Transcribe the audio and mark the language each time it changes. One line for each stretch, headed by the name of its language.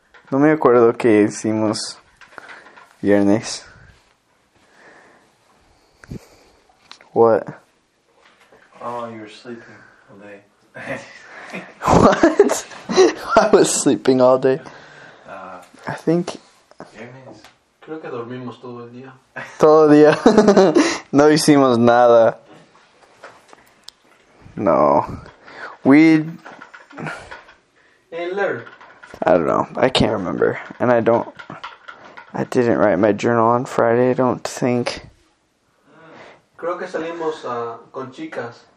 Spanish: No me acuerdo que hicimos viernes.
English: What? Oh, you were sleeping all day. What? I was sleeping all day. I think...
Spanish: Viernes. Creo que dormimos todo el día. Todo el día. No hicimos nada.
English: No. We... Hey, Ler. I don't know. I can't remember. And I didn't write my journal on Friday, I don't think.
Spanish: Creo que salimos con chicas.